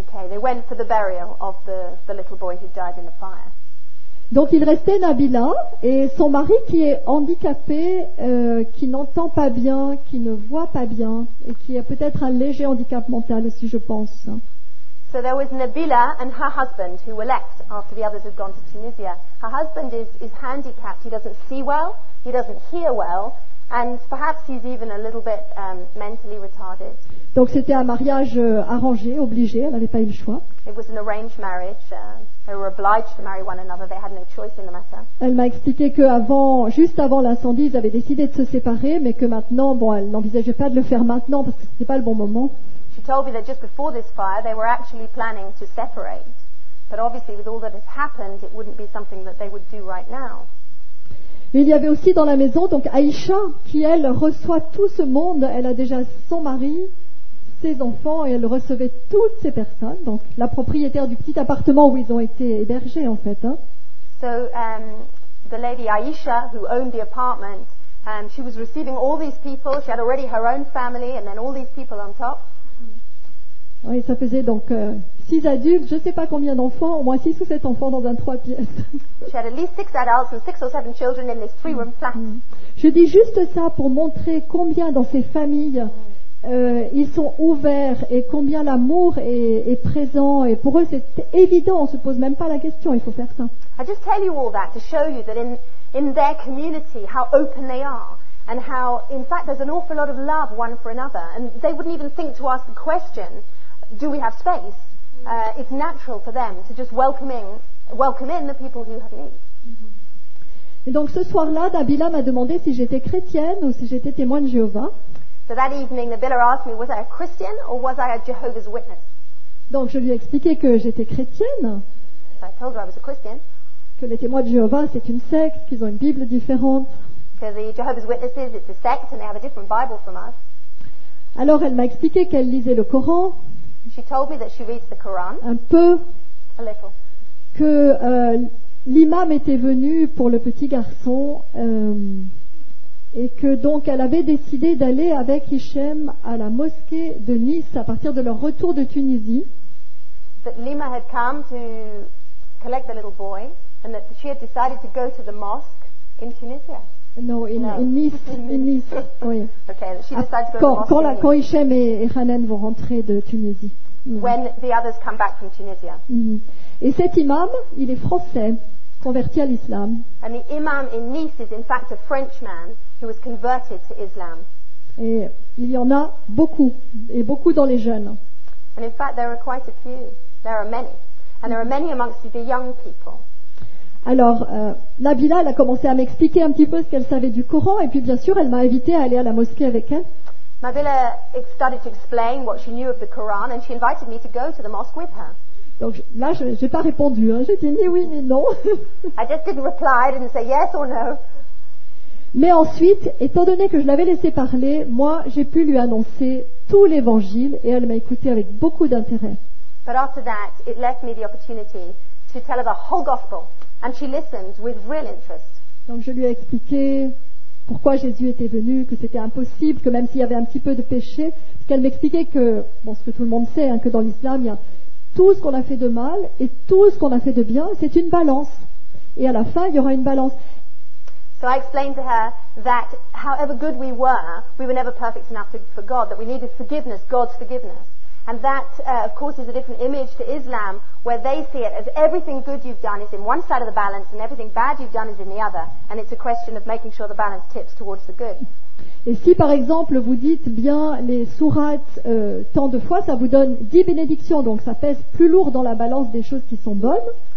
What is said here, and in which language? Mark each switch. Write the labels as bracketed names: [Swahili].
[English] They went for the burial of the little boy who died in the fire. [French] Donc il restait Nabila et son mari qui est handicapé, qui n'entend pas bien, qui ne voit pas bien et qui a peut-être un léger handicap mental aussi, je pense. [English] So there was Nabila and her husband who were left after the others had gone to Tunisia. Her husband is handicapped. He doesn't see well, he doesn't hear well, and perhaps he's even a little bit mentally retarded. [French] Donc c'était un mariage arrangé, obligé, elle n'avait pas eu le choix. [English] It was an arranged marriage. They were obliged to marry one another. They had no choice in the matter. [French] Elle m'a expliqué que juste avant l'incendie, ils avaient décidé de se séparer, mais que maintenant, bon, elle n'envisageait pas de le faire maintenant parce que c'était pas le bon moment. [English] She told me that just before this fire, they were actually planning to separate, but obviously, with all that has happened, it wouldn't be something that they would do right now. [French] Il y avait aussi dans la maison donc Aïcha qui elle reçoit tout ce monde. Elle a déjà son mari, ses enfants, et elle recevait toutes ces personnes, donc la propriétaire du petit appartement où ils ont été hébergés en fait. [English] So the lady Aïcha, who owned the apartment, she was receiving all these people. She had already her own family and then all these people on top. [French] Oui, ça faisait donc 6 adultes, je ne sais pas combien d'enfants, au moins 6 ou 7 enfants dans un 3 pièces. [English] She had at least 6 adults and 6 or 7 children in this 3-room flat. Mm. [French] Je dis juste ça pour montrer combien dans ces familles ils sont ouverts et combien l'amour est présent, et pour eux c'est évident, on ne se pose même pas la question, il faut faire ça. [English] I just tell you all that to show you that in their community how open they are and how in fact there's an awful lot of love one for another, and they wouldn't even think to ask the question, do we have space? It's natural for them to just welcome in the people who have need. [French] Et donc ce soir-là, Nabila m'a demandé si j'étais chrétienne ou si j'étais témoin de Jéhovah. [English] So that evening, Nabila asked me, was I a Christian or was I a Jehovah's Witness? [French] Donc je lui ai expliqué que j'étais chrétienne. [English] So I told her I was a Christian. [French] Que les témoins de Jéhovah, c'est une secte, qu'ils ont une Bible différente. [English] So the Jehovah's Witnesses, it's a sect and they have a different Bible from us. [French] Alors elle m'a expliqué qu'elle lisait le Coran. [English] She told me that she reads the Quran. [French] Un peu. [English] A little. [French] Que l'imam était venu pour le petit garçon. Et que donc elle avait décidé d'aller avec Hichem à la mosquée de Nice à partir de leur retour de Tunisie. [English] That Lima had come to collect the little boy and that she had decided to go to the mosque in Tunisia. In Nice. [French] Oui. [English] Okay, she decided to go to the mosque. [French] Quand Hichem et Hanan vont rentrer de Tunisie. [English] Mm. When the others come back from Tunisia. Mm. [French] Et cet imam, il est français, converti à l'islam. [English] And the imam in Nice is in fact a Frenchman. Who was converted to Islam. [French] Et il y en a beaucoup, et beaucoup dans les jeunes. [English] And in fact, there are quite a few. There are many. And there are many amongst the young people. [French] Alors, Nabila, elle a commencé à m'expliquer un petit peu ce qu'elle savait du Coran, et puis bien sûr, elle m'a invité à aller à la mosquée avec elle. [English] Nabila started to explain what she knew of the Quran, and she invited me to go to the mosque with her. [French] Donc là, je n'ai pas répondu. Hein. J'ai dit ni oui, ni non. [English] I just didn't reply, I didn't say yes or no. [French] Mais ensuite, étant donné que je l'avais laissé parler, moi, j'ai pu lui annoncer tout l'évangile et elle m'a écouté avec beaucoup d'intérêt. [English] But after that, it left me the opportunity to tell her the whole gospel and she listened with real interest. [French] Donc je lui ai expliqué pourquoi Jésus était venu, que c'était impossible, que même s'il y avait un petit peu de péché, parce qu'elle m'expliquait que, bon, ce que tout le monde sait, hein, que dans l'islam, il y a tout ce qu'on a fait de mal et tout ce qu'on a fait de bien, c'est une balance. Et à la fin, il y aura une balance. [English] So I explained to her that however good we were never perfect enough for God, that we needed forgiveness, God's forgiveness. And that, of course, is a different image to Islam, where they see it as everything good you've done is in one side of the balance and everything bad you've done is in the other. And it's a question of making sure the balance tips towards the good. [French] Et si, par exemple, vous dites bien les sourates tant de fois, ça vous donne 10 bénédictions, donc ça pèse plus lourd dans la balance des choses qui sont bonnes.